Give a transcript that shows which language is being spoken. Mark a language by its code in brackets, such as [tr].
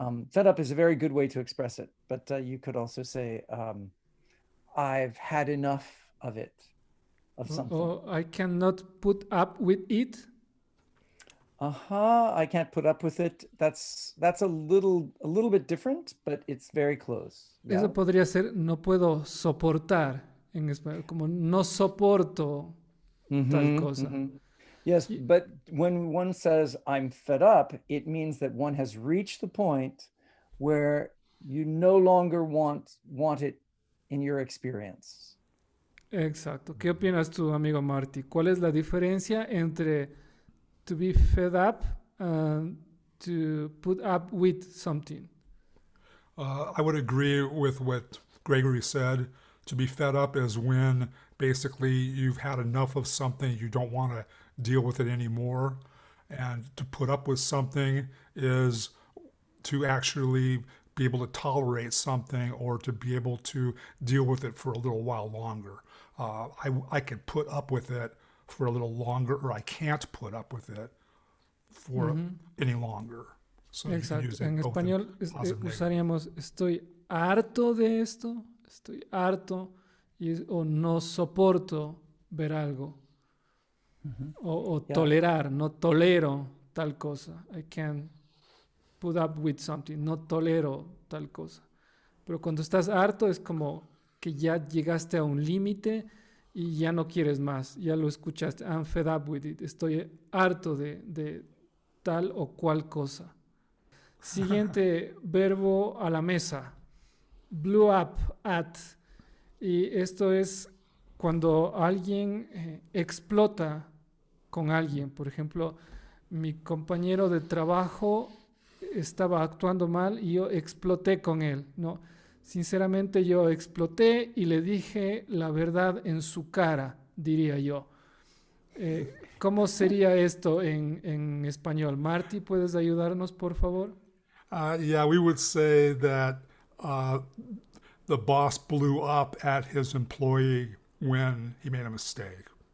[en] Fed up is a very good way to express it, but you could also say, I've had enough of it, of something. Oh, I cannot put up with it? Uh-huh, I can't put up with it. That's a little bit different, but it's very close. Yeah. [es] Eso podría ser no puedo soportar, en español, como no soporto. Mm-hmm, tal cosa. Mm-hmm. [en] Yes, but when one says I'm fed up, it means that one has reached the point where you no longer want it in your experience. [es] Exacto. ¿Qué opinas tú, amigo Marty? ¿Cuál es la diferencia entre [en] to be fed up and to put up with something? I would agree with what Gregory said. To be fed up is when basically you've had enough of something, you don't want to deal with it anymore. And to put up with something is to actually be able to tolerate something or to be able to deal with it for a little while longer. I can put up with it for a little longer, or I can't put up with it for any longer. [es] So exacto. En español usaríamos estoy harto de esto, estoy harto, y, o no soporto ver algo. Mm-hmm. O yeah. Tolerar, no tolero tal cosa. [en] I can't put up with something, [es] no tolero tal cosa. Pero cuando estás harto es como que ya llegaste a un límite y ya no quieres más. Ya lo escuchaste, [en] I'm fed up with it. [es] Estoy harto de tal o cual cosa. Siguiente verbo a la mesa. Blew up at. Y esto es cuando alguien explota con alguien. Por ejemplo, mi compañero de trabajo estaba actuando mal y yo exploté con él, ¿no? Sinceramente yo exploté y le dije la verdad en su cara, diría yo. ¿Cómo sería esto en español? Marty, ¿puedes ayudarnos, por favor? [en] Yeah, we would say that the boss blew up at his employee when he made a mistake.